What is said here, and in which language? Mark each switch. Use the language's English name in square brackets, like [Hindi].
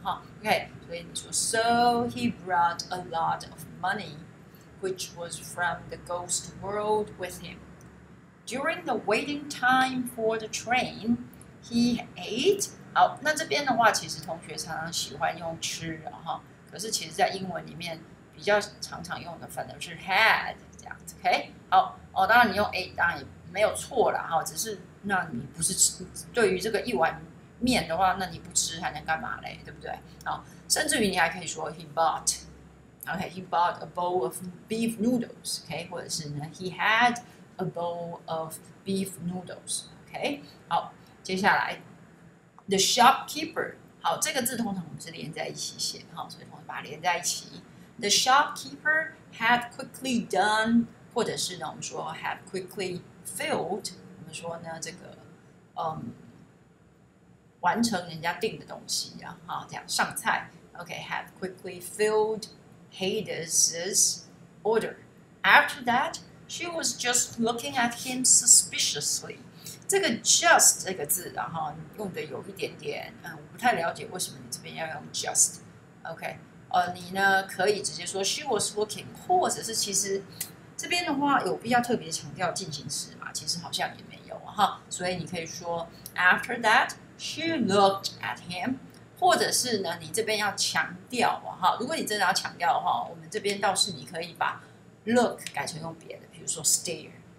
[English] OK， [Chinese] 所以你说 [English] so he brought a lot of money which was from the ghost world with himDuring the waiting time for the train, he ate. [Chinese] 好，那这边的话，其实同学常常喜欢用吃的哈，可是其实在英文里面比较常常用的反而是 had 这样子。OK， 好，哦，当然你用 ate 当然也没有错了哈，只是那你不是吃，对于这个一碗面的话，那你不吃还能干嘛嘞？对不对？好，甚至于你还可以说 [English] he bought. OK， he bought a bowl of beef noodles. OK， [Chinese] 或者是呢 [English] he had. A bowl of beef noodles. Okay. [Chinese] 好，接下来 [English] the shopkeeper. [Chinese] 好，这个字通常我们是连在一起写，好，所以我们把它连在一起。 [English] The shopkeeper had quickly done, [Chinese] 或者是呢，我们说 [English] had quickly filled. [Chinese] 我们说呢，这个完成人家订的东西啊，这样上菜。 [English] OK, have quickly filled Hades' order. After that, she was just looking at him suspiciously. [Chinese] 这个 just 这个字啊，用的有一点点，我不太了解为什么你这边要用 just。 OK, 你呢可以直接说 [English] she was looking, [Chinese] 或者是其实这边的话有必要特别强调进行时嘛，其实好像也没有哈，所以你可以说 [English] after that, she looked at him, [Chinese] 或者是呢你这边要强调哈，如果你真的要强调的话，我们这边倒是你可以把 look 改成用别的，比如说 stare。